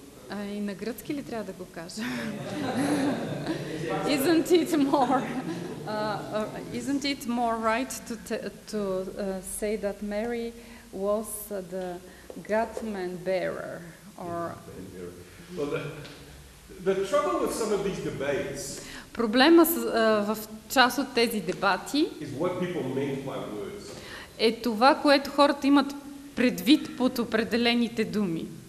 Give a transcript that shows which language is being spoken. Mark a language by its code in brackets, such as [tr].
[bg] И на гръцки ли трябва да го кажа? [en] isn't it more right to say that Mary was the Godman bearer? Or... Well, the trouble with some of these debates. [bg] Проблема с, в част от тези дебати [en] is what people mean by words. [bg] Е това, което хората имат предвид под определените думи.